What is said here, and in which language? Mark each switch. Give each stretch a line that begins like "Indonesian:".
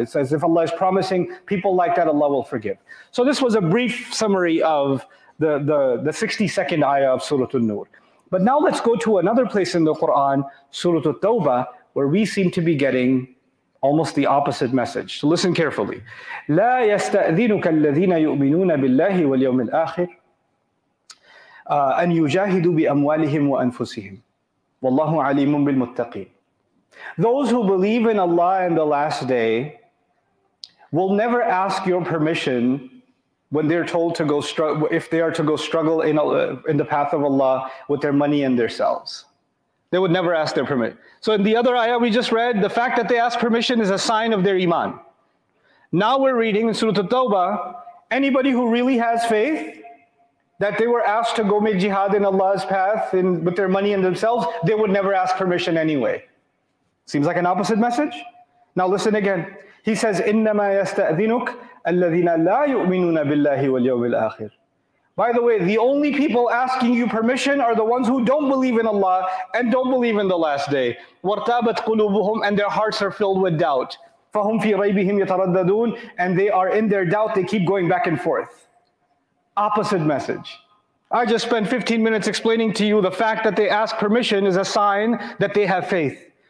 English: It's as if Allah is promising people like that Allah will forgive. So this was a brief summary of the 62nd ayah of Surah An-Nur. But now let's go to another place in the Quran, Surah At-Tawbah, where we seem to be getting almost the opposite message. So listen carefully.
Arabic: لا يستأذنك الذين يؤمنون بالله واليوم الآخر أن يجاهدوا بأموالهم وأنفسهم والله عليم بالمتقين.
English: Those who believe in Allah and the last day will never ask your permission when they're told to go struggle in the path of Allah with their money and their selves. They would never ask their permission. So in the other ayah we just read, the fact that they ask permission is a sign of their iman. Now we're reading in Surah At-Tawbah, anybody who really has faith, that they were asked to go make jihad in Allah's path with their money and themselves, they would never ask permission anyway. Seems like an opposite message. Now listen again. He says,
Arabic: إِنَّمَا يَسْتَأْذِنُكَ الَّذِينَ لَا يُؤْمِنُونَ بِاللَّهِ وَالْيَوْمِ الْآخِرِ.
English: By the way, the only people asking you permission are the ones who don't believe in Allah and don't believe in the last day.
Arabic: وَرْتَابَتْ قُلُوبُهُمْ
English: And their hearts are filled with doubt.
Arabic: فَهُمْ فِي رَيْبِهِمْ يَتَرَدَّدُونَ
English: And they are in their doubt, they keep going back and forth. Opposite message. I just spent 15 minutes explaining to you the fact that they ask permission is a sign that they have faith.